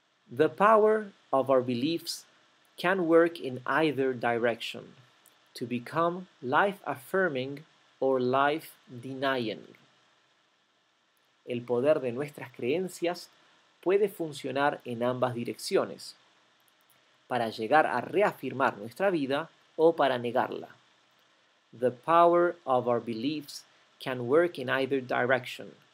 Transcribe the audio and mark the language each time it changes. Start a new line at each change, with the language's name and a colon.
English: The power of our beliefs can work in either direction, to become life-affirming or life-denying.
Spanish: El poder de nuestras creencias puede funcionar en ambas direcciones, para llegar a reafirmar nuestra vida o para negarla.
English: The power of our beliefs can work in either direction,